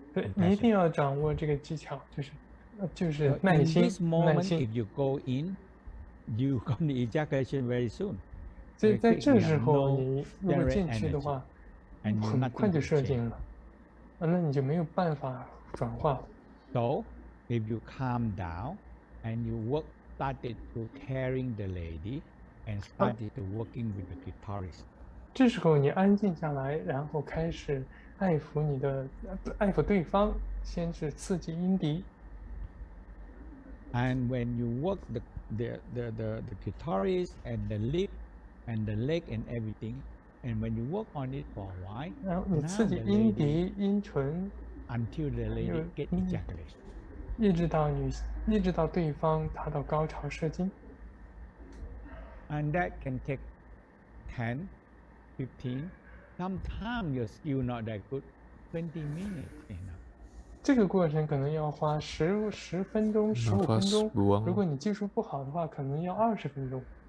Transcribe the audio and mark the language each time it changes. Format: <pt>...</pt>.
<zh>对，你一定要掌握这个技巧，就是耐心。</zh> <en>In this moment, if you go in, you got the ejaculation very soon.</en> <zh>所以在这时候，你如果进去的话，很快就射精了。那你就没有办法转化。</zh> <en>So, if you calm down and you work. Started to carrying the lady, and started to working with the clitoris.</en> <zh>这时候你安静下来，然后开始爱抚你的爱抚对方，先是刺激阴蒂。</zh> <en>And when you work the clitoris and the lip and the leg and everything, and when you work on it for a while,</en> <zh>然后你刺激阴蒂、阴唇</zh> <en>，until the lady get ejaculation.</en> <zh>一直到对方达到高潮射精。</zh> <en>And that can take 10, 15, sometimes your skill not that good, 20 minutes, you know.</en> <zh>这个过程可能要花十分钟、十五分钟。如果你技术不好的话，可能要二十分钟。</zh>